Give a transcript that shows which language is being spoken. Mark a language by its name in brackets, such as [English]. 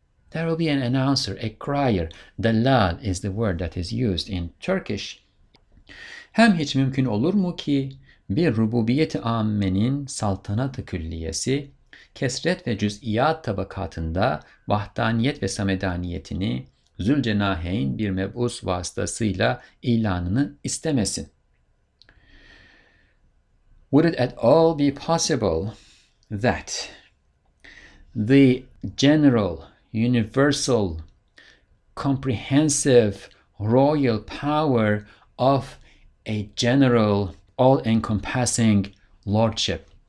[English] There will be an announcer, a crier. Dallal is the word that is used in Turkish. [Turkish] Hem hiç mümkün olur mu ki bir rububiyet-i ammenin saltanat-ı külliyesi kesret ve cüz'iyat tabakatında vahdaniyet ve samedaniyetini zülcenaheyn bir mebus vasıtasıyla ilanını istemesin? [English] Would it at all be possible that the general, universal, comprehensive, royal power of a general, all-encompassing lordship?